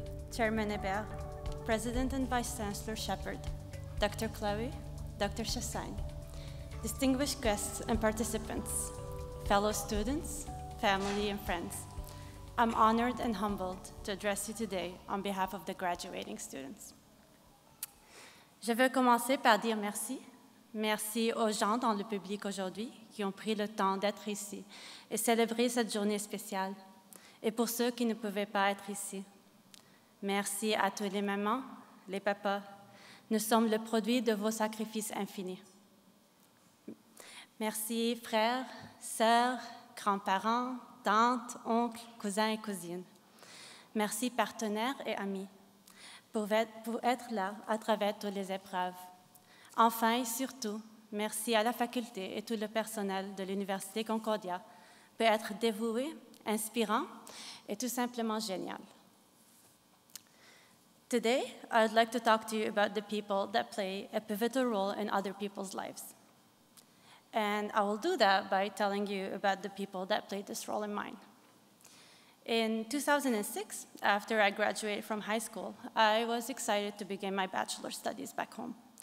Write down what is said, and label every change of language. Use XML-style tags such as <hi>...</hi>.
<en>Chair Menebert, President and Vice Chancellor Shepherd, Dr. Chloe, Dr. Chassagne, distinguished guests and participants, fellow students, family and friends, I'm honored and humbled to address you today on behalf of the graduating students.</en> <fr>Je veux commencer par dire merci. Merci aux gens dans le public aujourd'hui qui ont pris le temps d'être ici et célébrer cette journée spéciale. Et pour ceux qui ne pouvaient pas être ici, merci à tous les mamans, les papas. Nous sommes le produit de vos sacrifices infinis. Merci frères, sœurs, grands-parents, tantes, oncles, cousins et cousines. Merci partenaires et amis pour être là à travers toutes les épreuves. Enfin et surtout, merci à la faculté et tout le personnel de l'Université Concordia pour être dévoué, inspirant et tout simplement génial.</fr> <en>Today, I would like to talk to you about the people that play a pivotal role in other people's lives. And I will do that by telling you about the people that played this role in mine. In 2006, after I graduated from high school, I was excited to begin my bachelor's studies back home.</en>